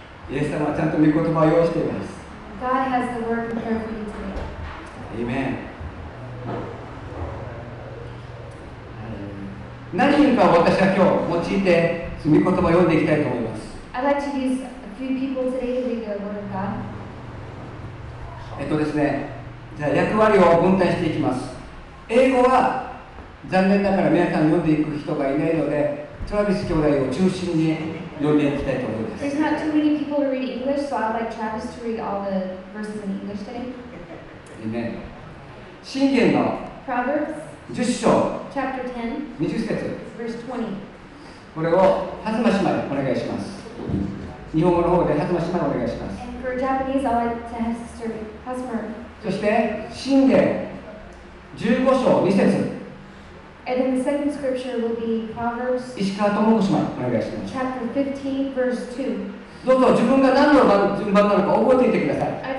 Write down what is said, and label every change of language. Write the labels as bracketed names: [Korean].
[Japanese] イエス様はちゃんと御言葉を用意しています。 [English] God has the word prepared for you today. [Japanese] Amen. 何人かを私は今日用いて御言葉を読んでいきたいと思います。 [English] I'd like to use a few people today to read the word of God. [Japanese] ですね、じゃあ役割を分担していきます。英語は残念ながら皆さん読んでいく人がいないので、トラビス兄弟を中心に読んでいきたいと思います。 [English] There's not too many people to read English, so I'd like Travis to read all the verses in English today. [Japanese] Amen. 箴言の [English] Proverbs [Japanese] 十章 [English] Chapter 10 [Japanese] 20節 [English] Verse 20. [Japanese] これを弾間姉妹お願いします。日本語の方で弾間姉妹お願いします。 [English] And for Japanese, I'd like to have Sister Hasmer. [Japanese] そして箴言15章2節。 [English] And then the second scripture will be Proverbs. [Japanese] 石川智子姉妹、お願いします。 [English] Chapter 15, verse 2. [Japanese] どうぞ自分が何の番順番なのか覚えていてください。